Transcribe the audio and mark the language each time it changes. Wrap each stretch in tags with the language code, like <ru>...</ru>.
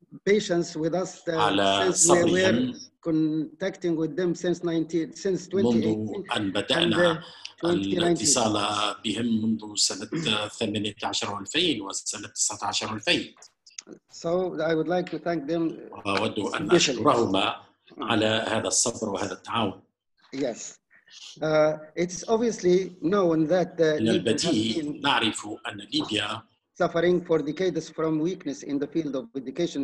<en>patience with us since we were contacting with them since</en> <ar>2018 منذ أن بدأنا الاتصال بهم منذ سنة 18 2000 وسنة 19 2000</ar> <en>so I would like to thank them</en> <ar>وأود أن أشكرهما على هذا الصبر وهذا التعاون</ar> <en>yes it's obviously known that</en> <ar>من البديهي نعرف أن ليبيا</ar> <en>suffering for decades from weakness in the field of education</en>